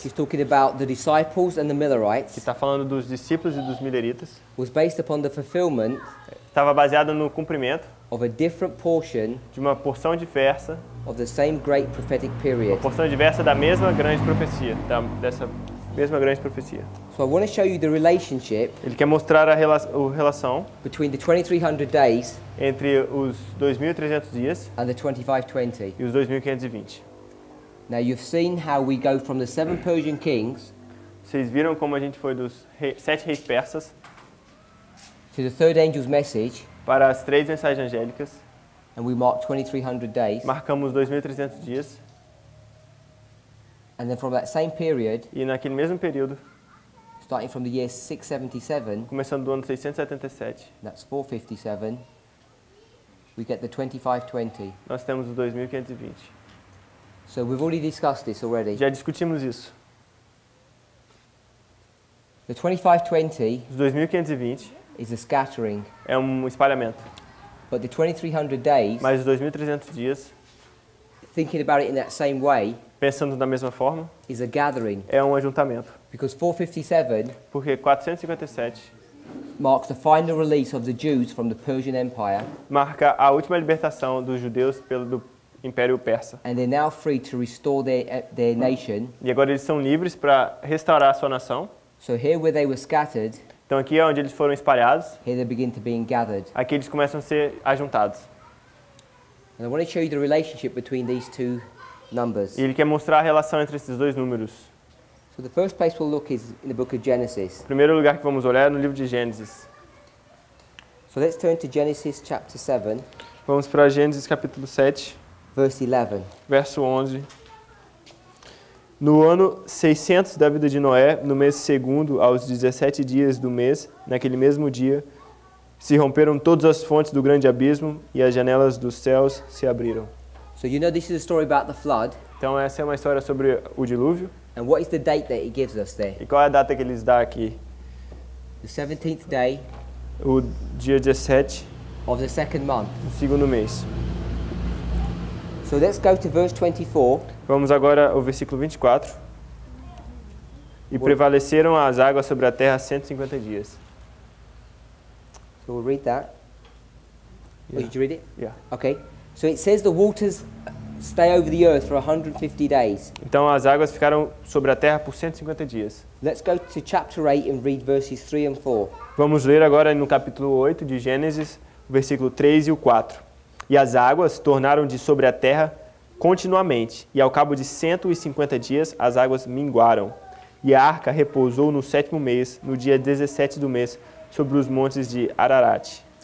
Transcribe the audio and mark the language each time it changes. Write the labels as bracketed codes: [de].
[en] She's talking about the disciples and the Millerites. [pt] Que está falando dos discípulos e dos Milleritas. [en] Was based upon the fulfillment. [pt] Estava baseada no cumprimento. [en] Of a different portion, [pt] de uma porção diversa, [en] of the same great prophetic period. [pt] Uma porção diversa da mesma grande profecia, dessa mesma grande profecia. [en] So I want to show you the relationship. [pt] Ele quer mostrar a relação [en] between the 2300 days [pt] entre os 2300 dias [en] and the 2520. [pt] E os 2520. [en] Now you've seen how we go from the seven Persian kings. [pt] Vocês viram como a gente foi dos sete reis persas [en] to the third angel's message. [pt] Para as três mensagens angélicas. [en] And we mark 2300 days. [pt] Marcamos 2300 dias. [en] And then from that same period, [pt] e naquele mesmo período. [en] Starting from the year 677, [pt] começando do ano 677. [en] That's 457. We get the 2520. [pt] Nós temos o 2520. [en] So we've already discussed this already. [pt] Já discutimos isso. [en] The 2520. [pt] Os 2520. [en] Is a scattering. [pt] É espalhamento. [en] But the 2300 days. [pt] Mas os 2300 dias. [en] Thinking about it in that same way. [pt] Pensando da mesma forma. [en] Is a gathering. [pt] É ajuntamento. [en] Because 457. [pt] Porque 457. [en] marks the final release of the Jews from the Persian Empire. [pt] Marca a última libertação dos judeus pelo Império Persa. [en] And they're now free to restore their nation. [pt] E agora eles são livres para restaurar a sua nação. [en] So here where they were scattered. [pt] Então aqui é onde eles foram espalhados. [en] Here they begin to be gathered. [pt] Aqui eles começam a ser ajuntados. [en] And I want to show you the relationship between these two numbers. [pt] E ele quer mostrar a relação entre esses dois números. [en] So the first place we'll look is in the book of Genesis. [pt] Primeiro lugar que vamos olhar é no livro de Gênesis. [en] So let's turn to Genesis chapter 7. [pt] Vamos para Gênesis capítulo 7. [en] Verse 11. [pt] Verso 11. No ano 600 da vida de Noé, no mês segundo, aos 17 dias do mês, naquele mesmo dia, se romperam todas as fontes do grande abismo e as janelas dos céus se abriram. [en] So you know this is a story about the flood. [pt] Então essa é uma história sobre o dilúvio. [en] And what is the date that it gives us there? [pt] E qual é a data que eles dá aqui? [en] The 17th day. [pt] O dia 17. [en] Of the second month. [pt] O segundo mês. [en] So let's go to verse 24. [pt] Vamos agora ao versículo 24. E prevaleceram as águas sobre a terra 150 dias. [en] So we'll read that. Yeah. Oh, did you read it? Yeah. Okay. So it says the waters stay over the earth for 150 days. [pt] Então as águas ficaram sobre a terra por 150 dias. [en] Let's go to chapter 8 and read verses 3 and 4. [pt] Vamos ler agora no capítulo 8 de Gênesis, versículo 3 e o 4. E as águas tornaram de sobre a terra continuamente, e ao cabo de 150 dias as águas minguaram. E a arca repousou no sétimo mês, no dia 17 do mês, sobre os montes de Ararat.